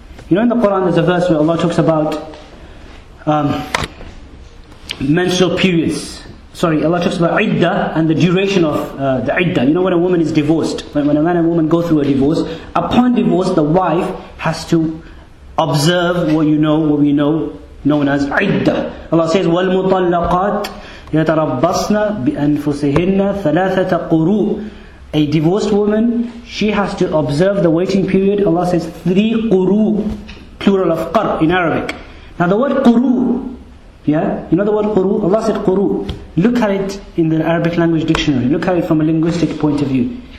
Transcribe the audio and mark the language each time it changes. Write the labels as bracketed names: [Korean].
[English] You know in the Quran there's a verse where Allah talks about menstrual periods. Sorry, Allah talks about iddah and the duration of the iddah. You know when a woman is divorced, when a man and woman go through a divorce, upon divorce the wife has to observe what we know known as iddah. Allah says, [Arabic] وَالْمُطَلَّقَاتْ يَتَرَبَّصْنَ بِأَنفُسِهِنَّ ثَلَاثَةَ قُرُوءٍ. [English] A divorced woman, she has to observe the waiting period. Allah says, three quru, plural of qar in Arabic. Now the word quru, yeah, you know the word quru? Allah said quru. Look at it in the Arabic language dictionary. Look at it from a linguistic point of view.